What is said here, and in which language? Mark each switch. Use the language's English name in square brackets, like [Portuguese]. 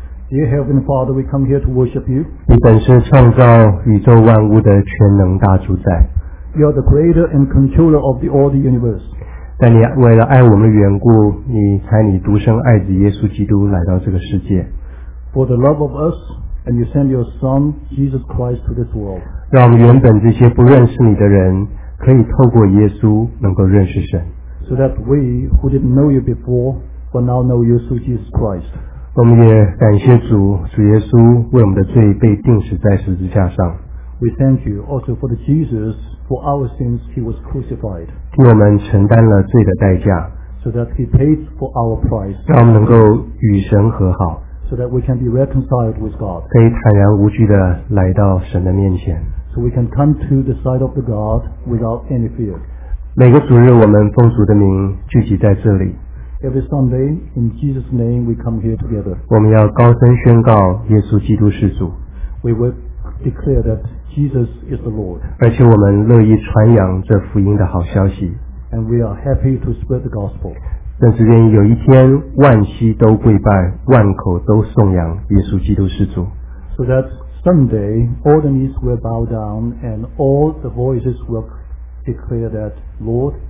[English] Dear Heavenly Father, we come here to worship you. [Chinese] 你本是创造宇宙万物的全能大主宰。 [English] You are the creator and controller of all the universe. [Chinese] 但你为了爱我们的缘故，你差你独生爱子耶稣基督来到这个世界。 [English] For the love of us, and you send your Son Jesus Christ to this world. [Chinese] 让我们原本这些不认识你的人，可以透过耶稣能够认识神。 [English] So that we who didn't know you before. But now know you through Jesus Christ. [Chinese] 我们也感谢主，主耶稣为我们的罪被钉死在十字架上。 [English] We thank you also for the Jesus for our sins. He was crucified. [Chinese] 替我们承担了罪的代价。 [English] So that he paid for our price. [Chinese] 让我们能够与神和好。 [English] So that we can be reconciled with God. [Chinese] 可以坦然无惧地来到神的面前。 [English] So we can come to the side of the God without any fear. [Chinese] 每个主日，我们奉主的名聚集在这里。 [English] Every Sunday, in Jesus' name, we come here together. [Chinese] 我们要高声宣告耶稣基督是主。 [English] We will declare that Jesus is the Lord. [Chinese] 而且我们乐意传扬这福音的好消息。 [English] And we are happy to spread the gospel. [Chinese] 但是愿意有一天万膝都跪拜，万口都颂扬耶稣基督是主。 [English] So that someday all the knees will bow down and all the voices will declare that Lord.